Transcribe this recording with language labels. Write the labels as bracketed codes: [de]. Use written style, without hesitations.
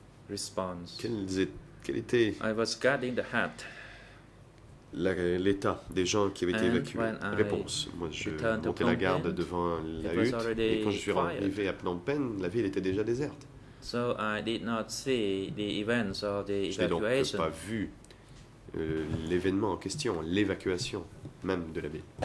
[en] Response. [fr] Quel était [en] I was guarding the hut. [fr] L'état des gens qui avaient [en] And [fr] été évacués. Réponse. Moi, je montais la garde devant la hutte. Et quand je suis [en] fired. [fr] Arrivé à Phnom Penh, la ville était déjà déserte. [en] So I did not see the events or the [fr] je n'ai donc pas vu l'événement en question, l'évacuation même de la ville.